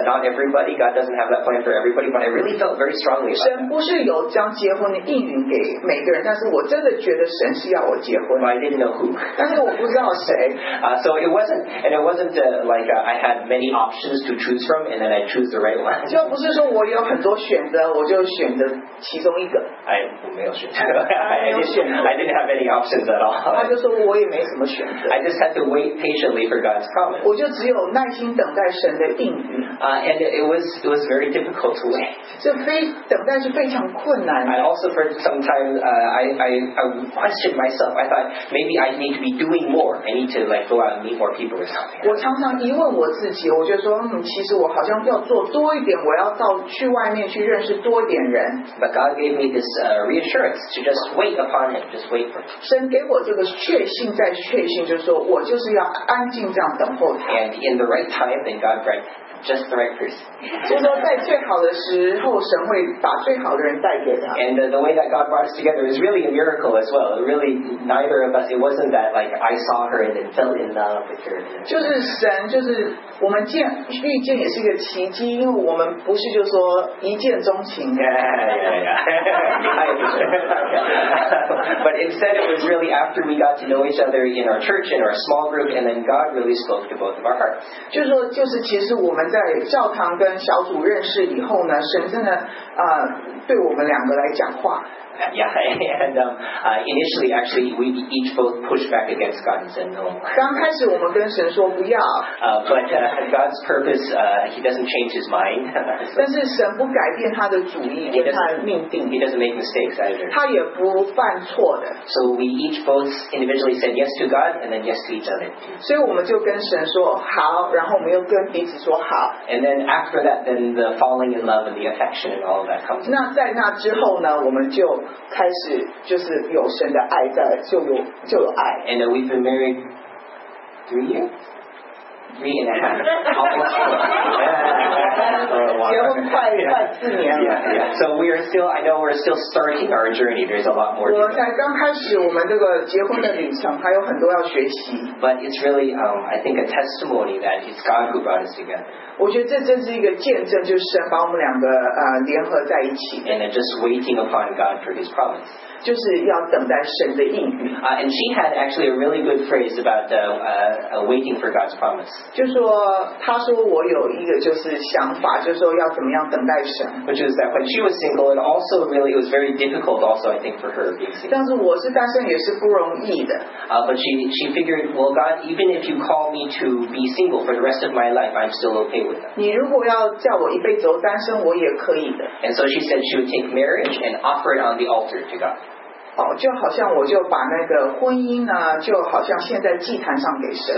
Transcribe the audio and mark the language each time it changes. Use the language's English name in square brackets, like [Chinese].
[English] Not everybody, God doesn't have that plan for everybody, but I really felt very strongly about it. [Chinese] 神不是有将结婚的应允给每个人，但是我真的觉得神是要我结婚。 [English] But I didn't know who. [Chinese] 但是我不知道谁。 [English] So it wasn't, and it wasn't like I had many options to choose from, and then I choose the right one. [Chinese] 就不是说我有很多选择，我就选择其中一个。 [English] I didn't have any options at all. [Chinese] 他就说我也没什么选择。 [English] I just had to wait patiently. For God's promise. [Chinese] 我就只有耐心等待神的应允。 [English] And it was very difficult to wait. [Chinese] 这非等待是非常困难的。 [English] I also for some time, I questioned myself. I thought maybe I need to be doing more. I need to like go out and meet more people or something. [Chinese] 我常常疑问我自己，我就说，其实我好像要做多一点，我要到去外面去认识多一点人。 [English] But God gave me this reassurance to just wait upon Him, just wait for Him. [Chinese] 神给我这个确信再确信，就是说我就是要。 [English] And in the right time, then God brings just the right person. And the way that God brought us together is really a miracle as well. Really, neither of us, it wasn't that like I saw her and then fell in love with her. [Chinese] 就是神，就是我们见遇见也是一个奇迹，因为我们不是就说一见钟情。 [English] But instead, it was really after we got to know each other in our church, in our small group, and then God really spoke to both of our hearts. [Chinese] 就是说，就是其实我们在教堂跟小组认识以后呢，神真的对我们两个来讲话。 [English] Yeah, and initially, actually, we each both pushed back against God and said no. [Chinese] 刚开始我们跟神说不要。 [English] But God's purpose, He doesn't change His mind. [Chinese] 但是神不改变他的主意，跟他的命定。 [English] He doesn't make mistakes either. [Chinese] 他也不犯错的。 [English] So we each both individually said yes to God and then yes to each other. [Chinese] 所以我们就跟神说好，然后我们又跟彼此说好。 [English] And then after that, then the falling in love and the affection and all of that comes. [Chinese] 那在那之后呢，我们就开始就是有神的爱在，就有爱。 [English] And we've been married 3 years, 3.5 years. [Chinese] 结婚快四年了。 [English] So we are still, I know we're still starting our journey. There's a lot more. [Chinese] 我在刚开始我们这个结婚的旅程还有很多要学习。 [English] But it's really, I think, a testimony that it's God who brought us together. [Chinese] 我觉得这真是一个见证，就是神把我们两个联合在一起。 [English] And then just waiting upon God for His promise. [Chinese] 就是要等待神的应允。 [English] And she had actually a really good phrase about waiting for God's promise. [Chinese] 就说他说我有一个就是想法，就是说要怎么样等待神。 [English] Which is that when she was single, it also really was very difficult. Also, I think for her being single. [Chinese] 但是我是单身也是不容易的。 [English] But she figured, well, God, even if you call me to be single for the rest of my life, I'm still okay with that. [Chinese] 你如果要叫我一辈子都单身，我也可以的。 [English] And so she said she would take marriage and offer it on the altar to God. [Chinese] 哦、就好像我就把那个婚姻呢，就好像献在祭坛上给神。